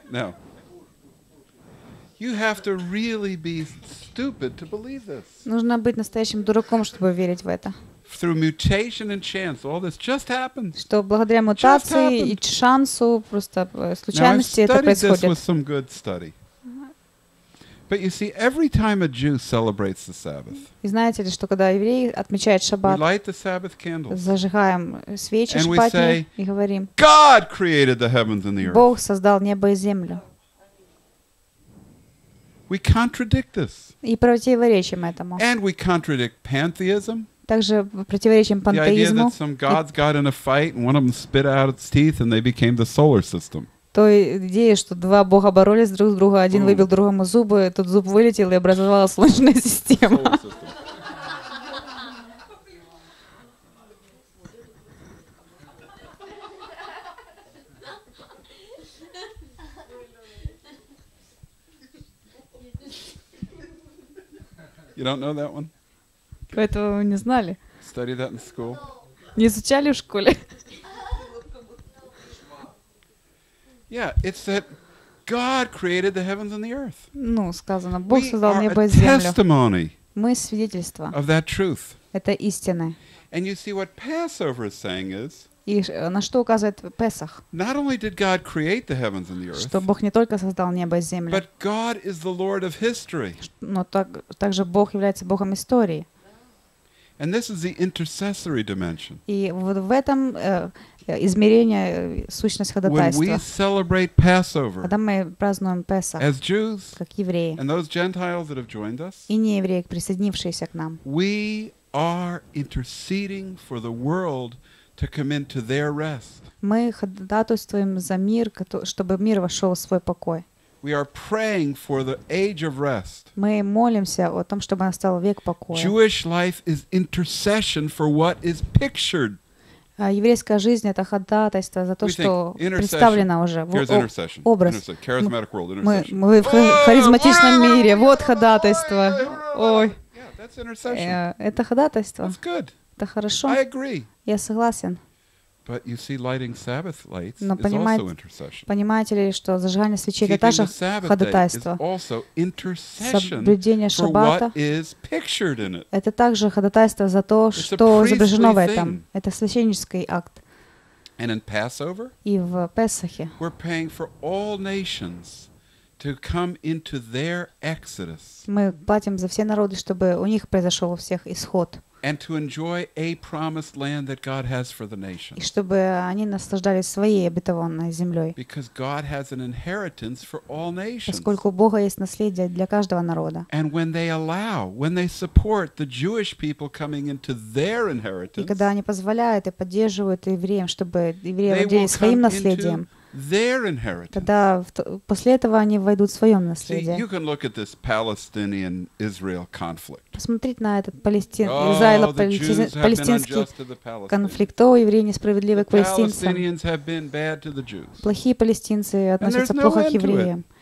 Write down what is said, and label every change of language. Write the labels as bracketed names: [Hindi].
[English] Now, you have to really be stupid to believe this. [Russian] Нужно быть настоящим дураком, чтобы верить в это. [English] Through mutation and chance, all this just happened. [Russian] Что благодаря мутации и шансу просто случайности это происходит. [English] Now I studied this with some good study. But you see, every time a Jew celebrates the Sabbath. [Russian] И знаете ли, что когда евреи отмечают Шаббат, [English] we light the Sabbath candles. [Russian] Зажигаем свечи [English] and шпатни, we say, [Russian] и говорим. [English] God created the heavens and the earth. [Russian] Бог создал небо и землю. [English] We contradict this. [Russian] И противоречим этому. [English] And we contradict pantheism. [Russian] Также противоречим пантеизму. [English] The idea that some gods got in a fight and one of them spit out its teeth and they became the solar system. [Russian] То идея, что два бога боролись друг с другом, один выбил другому зубы, тот зуб вылетел и образовала Солнечная система. [English] You don't know that one? [Russian] Поэтому вы не знали? [English] Study that in school. [Russian] Не изучали в школе? [English] Yeah, it's that God created the heavens and the earth. [Russian] Ну, сказано, Бог создал небо и землю. [English] We are a testimony. [Russian] Мы свидетельство. [English] Of that truth. [Russian] Это истина. [English] And you see what Passover is saying is. [Russian] И на что указывает Песах? [English] Not only did God create the heavens and the earth. [Russian] Что Бог не только создал небо и землю. [English] But God is the Lord of history. [Russian] Но также Бог является Богом истории. [English] And this is the intercessory dimension. [Russian] И вот в этом измерение, сущность ходатайства. [English] When we celebrate Passover, [Russian] когда мы празднуем Песах, [English] as Jews, [Russian] как евреи, [English] and those Gentiles that have joined us, [Russian] и неевреи, присоединившиеся к нам, [English] we are interceding for the world to come into their rest. [Russian] Мы ходатайствуем за мир, чтобы мир вошел в свой покой. [English] We are praying for the age of rest. [Russian] Мы молимся о том, чтобы настал век покоя. [English] Jewish life is intercession for what is pictured. [Russian] Еврейская жизнь — это ходатайство за то, [English] we [Russian] что представлено уже. Образ. Мы в харизматичном мире. Вот ходатайство. Ой. Это ходатайство. Это хорошо. Я согласен. [English] But you see, lighting Sabbath lights [Russian] Но [English] is also intercession. [Russian] Понимаете ли, что зажигание свечей — это тоже ходатайство. Соблюдение Шаббата — это также ходатайство за то, что изображено в этом. [English] Thing. [Russian] Это священнический акт. [English] And in Passover, [Russian] и в Песахе [English] we're praying for all nations to come into their exodus. [Russian] Мы платим за все народы, чтобы у них произошел у всех исход. [English] And to enjoy a promised land that God has for the nation. [Russian] И чтобы они наслаждались своей обетованной землей. [English] Because God has an inheritance for all nations. [Russian] Поскольку у Бога есть наследие для каждого народа. [English] And when they allow, when they support the Jewish people coming into their inheritance. [Russian] И когда они позволяют и поддерживают евреям, чтобы евреи владели своим наследием. [English] Their inheritance. [Russian] Тогда после этого они войдут в свое наследие. [English] See, you can look at this Palestinian-Israel conflict. [Russian] Посмотреть на этот Израило-палестинский конфликт. О, евреи несправедливы к палестинцам. Плохие палестинцы относятся плохо к евреям.